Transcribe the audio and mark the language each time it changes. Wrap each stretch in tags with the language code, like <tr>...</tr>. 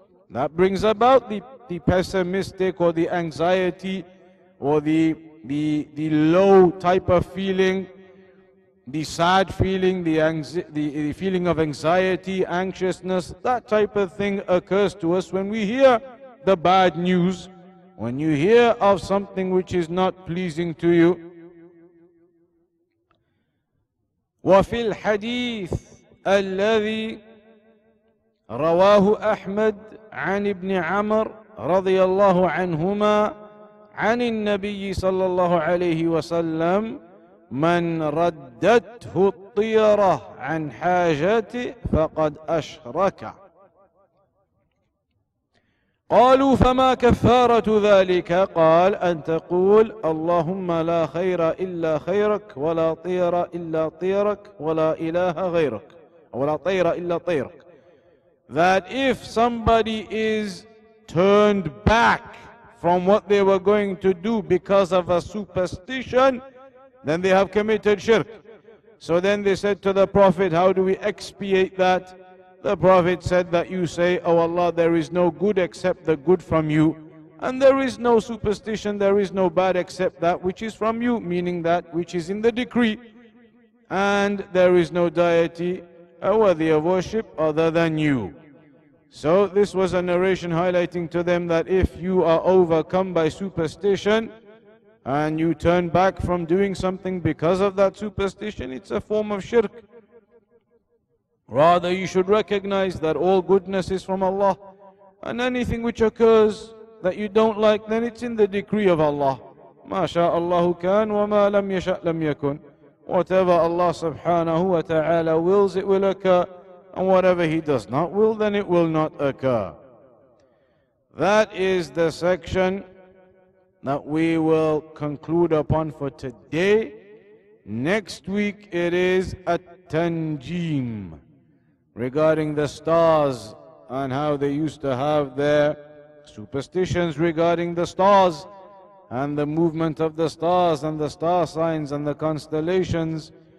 <en>That brings about the pessimistic or the anxiety or the low type of feeling, the sad feeling, the feeling of anxiety, anxiousness. That type of thing occurs to us when we hear the bad news. When you hear of something which is not pleasing to you.</en> <ar>وفي الحديث الذي رواه أحمد عن ابن عمر رضي الله عنهما عن النبي صلى الله عليه وسلم من ردته الطيرة عن حاجته فقد أشرك. قالوا فما كفارة ذلك؟ قال أن تقول اللهم لا خير إلا خيرك ولا طير إلا طيرك ولا إله غيرك ولا طير إلا طيرك.</ar> <en>That if somebody is turned back from what they were going to do because of a superstition, then they have committed shirk. So then they said to the Prophet, how do we expiate that? The Prophet said that you say, O Allah, there is no good except the good from you, and there is no superstition, there is no bad except that which is from you, meaning that which is in the decree, and there is no deity worthy of worship other than you. So this was a narration highlighting to them that if you are overcome by superstition and you turn back from doing something because of that superstition, it's a form of shirk. Rather, you should recognize that all goodness is from Allah, and anything which occurs that you don't like, then it's in the decree of Allah.</en> <ar>ما شاء الله كان وما لم يشأ لم يكن.</ar> <en>Whatever Allah subhanahu wa ta'ala wills, it will occur. And whatever He does not will, then it will not occur. That is the section that we will conclude upon for today. Next week it is At-Tanjim, regarding the stars and how they used to have their superstitions regarding the stars and the movement of the stars and the star signs and the constellations.</en>